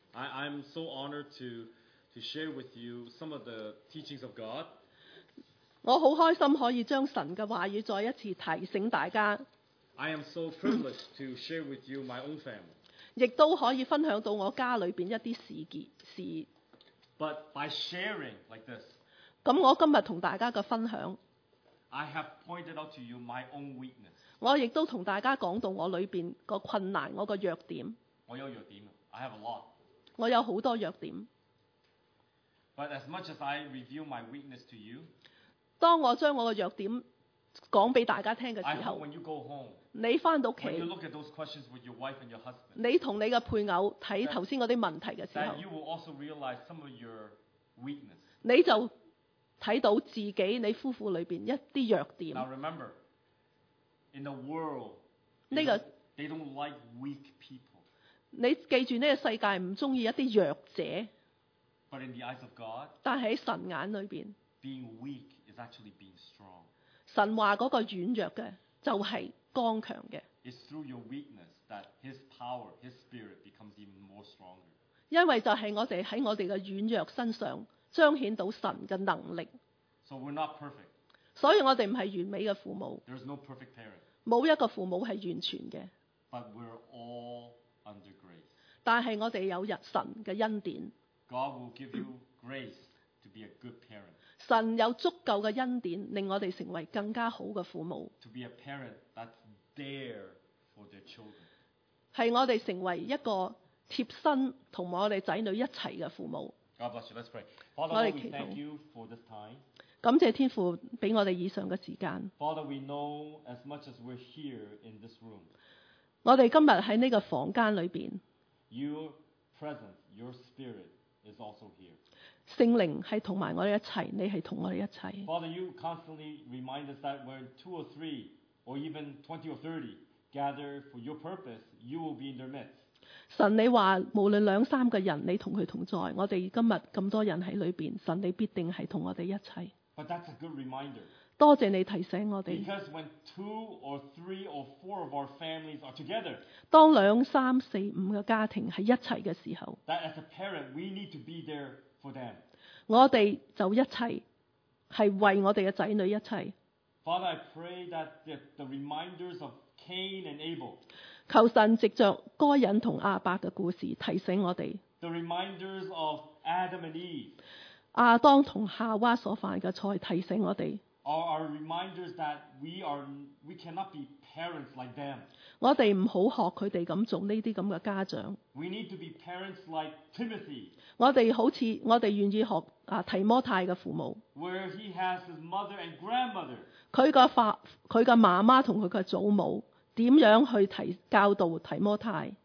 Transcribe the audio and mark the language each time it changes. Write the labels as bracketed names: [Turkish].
[English] I'm so honored to share with you some of the teachings of God. [Cantonese] 我好开心可以将神嘅话语再一次提醒大家。 [English] I am so privileged to share with you my own family. [Cantonese] 亦都可以分享到我家里边一啲事件事。 [English] But by sharing like this, [Cantonese] 咁我今日同大家嘅分享 [English] ，I have pointed out to you my own weakness. [Cantonese] 我亦都同大家讲到我里边个困难，我个弱点。我有弱点 [English] ，I have a lot. [Cantonese] 我有好多弱点。 [English] But as much as I reveal my weakness to you, [Cantonese] 当我将我嘅弱点讲俾大家听嘅时候 [English] when you go home, [Cantonese] 你翻到屋企 [English] when you look at those questions with your wife and your husband, [Cantonese] 你同你嘅配偶睇头先嗰啲问题嘅时候 [English] that you will also realize some of your weakness. [Cantonese] 你就睇到自己你夫妇里面一啲弱点。 [English] Now remember, in the world, they don't like weak people. [Cantonese] 你記住呢個世界唔中意一啲弱者， [English] But in the eyes of God, [Cantonese] 但喺神眼裏邊， [English] being weak is actually being strong. [Cantonese] 神話嗰個軟弱嘅就係剛強嘅。 [English] It's through your weakness that His power, His spirit becomes even more stronger. [Cantonese] 因為就係我哋喺我哋嘅軟弱身上彰顯到神嘅能力。 [English] So we're not perfect. [Cantonese] 所以我哋唔係完美嘅父母。 [English] There's no perfect parent. [Cantonese] 冇一個父母係完全嘅。 [English] But we're all Under grace. [Cantonese] 但是我们有神的恩典 [English] God will give you grace to be a good parent. [Cantonese] 神有足够的恩典令我们成为更加好的父母 [English] To be a parent that's there for their children. [Cantonese] 是我们成为一个贴身和我们子女一起的父母 [English] God bless you, let's pray. Father, Lord, we thank you for this time. [Cantonese] 感谢天父给我们以上的时间 [English] Father, we know as much as we're here in this room. [Cantonese] 我哋今日喺呢个房间里边 [English] ，Your presence, Your spirit is also here. [Cantonese] 圣灵系同埋我哋一齐，你系同我哋一齐。 [English] Father, you constantly remind us that when two or three, or even 20 or 30, gather for your purpose, you will be in their midst. [Cantonese] 神，你话无论两三个人，你同佢同在，我哋今日咁多人喺里边，神你必定系同我哋一齐。 [English] But that's a good reminder. [Cantonese] 多谢你提醒我哋。 [English] Because when two or three or four of our families are together, [Cantonese] 当两三四五个家庭系一齐嘅时候 [English] ，that as a parent we need to be there for them. [Cantonese] 我哋就一齐系为我哋嘅仔女一齐。 [English] Father, I pray that the reminders of Cain and Abel, [Cantonese] 求神藉着该隐同亚伯嘅故事提醒我哋。 [English] The reminders of Adam and Eve, [Cantonese] 亚当同夏娃所犯嘅错提醒我哋。 [English] Are our reminders that we cannot be parents like them. [Cantonese] 我哋唔好学佢哋咁做呢啲咁嘅家长。 [English] We need to be parents like Timothy. [Cantonese] 我哋好似我哋愿意学提摩太嘅父母。 [English] Where he has his mother and grandmother. [Cantonese] 佢嘅妈妈同佢嘅祖母点样去教导提摩太